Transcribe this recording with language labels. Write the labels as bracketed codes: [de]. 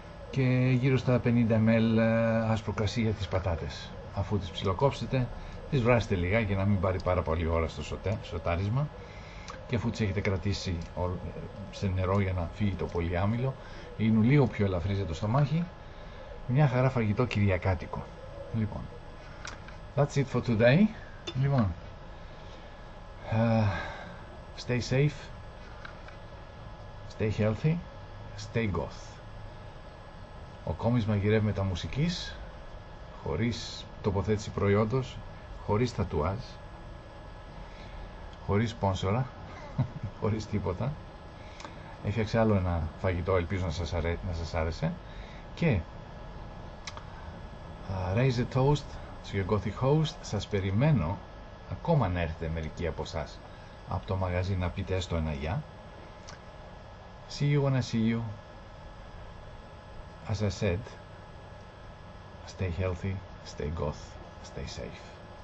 [el] Και γύρω στα 50 ml άσπρο κρασί για τις πατάτες. Αφού τις ψιλοκόψετε, τις βράσετε λιγά για να μην πάρει πάρα πολύ ώρα στο σοτάρισμα. Και αφού τις έχετε κρατήσει σε νερό για να φύγει το πολύ άμυλο, είναι λίγο πιο ελαφρύζεται το στομάχι. Μια χαρά φαγητό κυριακάτικο. [en] Λοιπόν, that's it for today. Λοιπόν, stay safe, stay healthy, stay goth. [el] Ο Κόμις μαγειρεύει μετά μουσικής, χωρίς τοποθέτηση προϊόντος, χωρίς τατουάζ, χωρίς σπόνσορα, χωρίς τίποτα. Έφτιαξε άλλο ένα φαγητό, ελπίζω να σας άρεσε. [en] Και raise a toast to your gothic host. [el] Σας περιμένω ακόμα να έρθετε μερικοί από εσάς από το μαγαζί να πείτε έστω ένα γεια. [en] See you when I see you. As I said, stay healthy, stay goth, stay safe.